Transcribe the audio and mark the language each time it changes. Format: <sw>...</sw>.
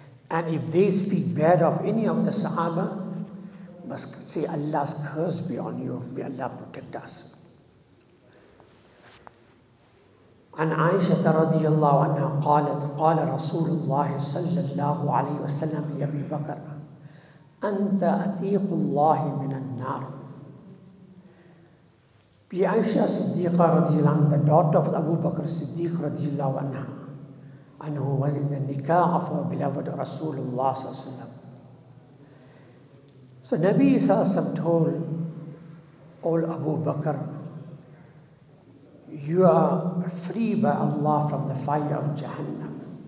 <en>And if they speak bad of any of the Sahaba, must say Allah's curse be on you. May Allah protect us.</en> <ar>عن عائشة رضي الله عنها قالت قال رسول الله صلى الله عليه وسلم يا أبي بكر أنت أتيق الله من النار. بعائشة الصديقة رضي الله عنها,</ar> <en>the daughter of Abu Bakr Siddiq</en> <ar>رضي الله عنها,</ar> <en>and who was in the nikah of our beloved</en> <ar>رسول الله صلى الله عليه وسلم.</ar> <en>So Nabi Sallallahu Alaihi Wasallam told all Abu Bakr, you are free by Allah from the fire of Jahannam.</en>